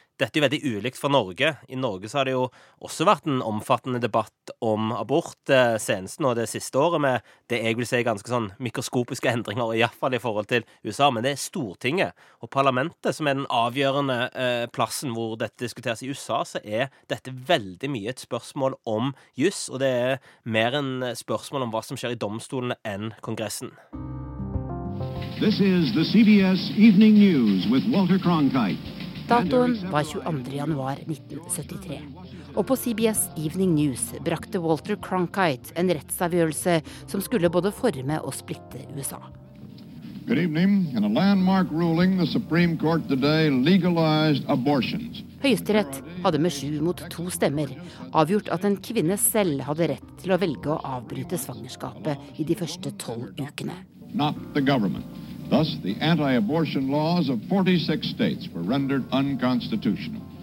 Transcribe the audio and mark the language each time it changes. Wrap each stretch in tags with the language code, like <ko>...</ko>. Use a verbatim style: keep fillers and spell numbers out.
<no>Dette er jo veldig ulikt fra Norge. I Norge så har det jo også vært en omfattende debatt om abort eh, senest nå det siste året, med det jeg vil si ganske sånn mikroskopiske endringer, i hvert fall i forhold til U S A. Men det er Stortinget og parlamentet som er den avgjørende eh, plassen hvor dette diskuteres. I U S A så er dette veldig mye et spørsmål om juss, og det er mer en spørsmål om hva som skjer i domstolene enn Kongressen.</no> <en>This is the C B S Evening News with Walter Cronkite.</en> <no>Datoen var tjueandre januar nitten syttitre, og på C B S Evening News brakte Walter Cronkite en rettsavgjørelse som skulle både forme og splitte U S A.</no> <en>Good evening. In a landmark ruling, the Supreme Court today legalized abortions.</en> <no>Høyesterett hadde med sju mot to stemmer avgjort at en kvinne selv hadde rett til å velge å avbryte svangerskapet i de første tolv ukene.</no> <en>Not the government. Thus, the anti-abortion laws of forty-six states were rendered unconstitutional.</en>